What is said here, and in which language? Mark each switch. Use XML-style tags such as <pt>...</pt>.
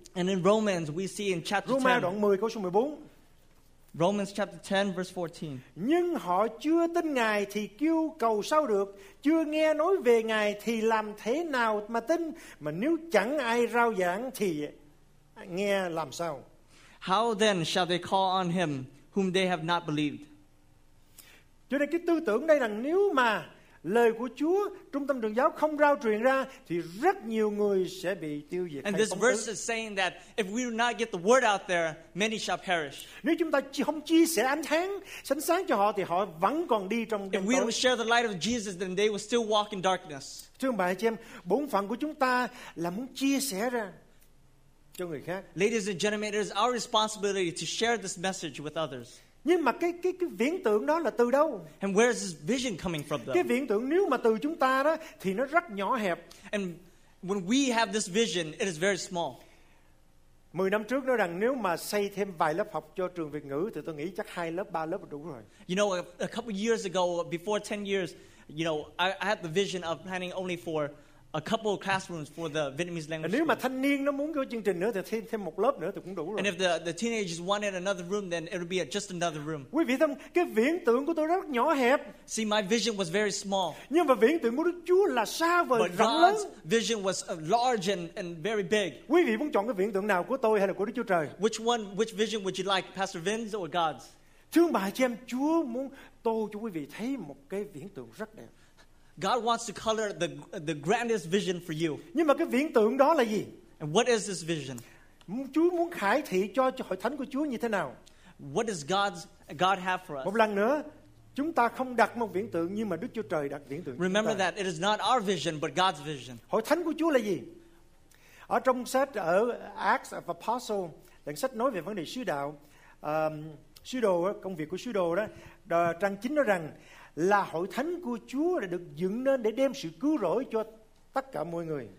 <en>And in Romans we see in chapter 10.</en> <vi>Roma đoạn 10 câu số 14.</vi> <en>Romans chapter 10 verse 14.</en> <vi>Nhưng họ chưa tin Ngài thì kêu cầu sao được? Chưa nghe nói về Ngài thì làm thế nào mà tin? Mà nếu chẳng ai rao giảng thì nghe làm sao?</vi> <en>How then shall they call on him whom they have not believed?</en> <vi>Cho nên cái tư tưởng đây là nếu mà lời của Chúa trung tâm truyền giáo không rao truyền ra thì rất nhiều người sẽ bị tiêu diệt.</vi> <en>And this verse is saying that if we do not get the word out there, many shall perish.</en> <vi>Nếu chúng ta không chia sẻ ánh sáng, sánh sáng cho họ thì họ vẫn còn đi trong đêm tối.</vi> <en>If we don't share the light of Jesus, then they will still walk in darkness.</en> <vi>Thưa ông bà chị em, bổn phận của chúng ta là muốn chia sẻ ra cho người khác.</vi> <en>Ladies and gentlemen, it is our responsibility to share this message with others.</en> <vi>Nhưng mà cái viễn tưởng đó là từ đâu?</vi> <en>And where is this vision coming from though?</en> <vi>Cái viễn tưởng nếu mà từ chúng ta đó thì nó rất nhỏ hẹp.</vi> <en>And when we have this vision, it is very small.</en> <vi>10 năm trước nói rằng nếu mà xây thêm vài lớp học cho trường Việt ngữ thì tôi nghĩ chắc 2 lớp, 3 lớp là đủ rồi.</vi> <en>You know, a couple of years ago, before 10 years, you know, I had the vision of planning only for a couple of classrooms for the Vietnamese language.</en> <vi>Nếu mà thanh niên nó muốn cái chương trình nữa thì thêm một lớp nữa thì cũng đủ rồi.</vi> <en>And if the teenagers wanted another room, then it would be just another room.</en> <vi>Quý vị thấy cái viễn tưởng của tôi rất nhỏ hẹp.</vi> <en>See, my vision was very small.</en> <vi>Nhưng mà viễn tưởng của Đức Chúa là xa và rộng lớn.</vi> <en>But God's vision was large and very big.</en> <vi>Quý vị muốn chọn cái viễn tưởng nào của tôi hay là của Đức Chúa Trời?</vi> <en>Which vision would you like, Pastor Vince or God's?</en> <vi>Thưa bà chị em, Chúa muốn tô cho quý vị thấy một cái viễn tưởng rất đẹp.</vi> <en>God wants to color the grandest vision for you.</en> <vi>Nhưng mà cái viễn tưởng đó là gì?</vi> <en>And what is this vision?</en> <vi>Chúa muốn khải thị cho hội thánh của Chúa như thế nào?</vi> <en>What does God have for us?</en> <vi>Một lần nữa, chúng ta không đặt một viễn tưởng nhưng mà Đức Chúa Trời đặt viễn tưởng.</vi> <en>Remember that it is not our vision but God's vision.</en> <vi>Hội thánh của Chúa là gì? Ở trong sách ở Acts of Apostles, đoạn sách nói về vấn đề sứ đạo, sứ đồ, công việc của sứ đồ đó, trang 9 nói rằng là hội thánh của Chúa đã được dựng nên để đem sự cứu rỗi cho tất cả mọi người.</vi>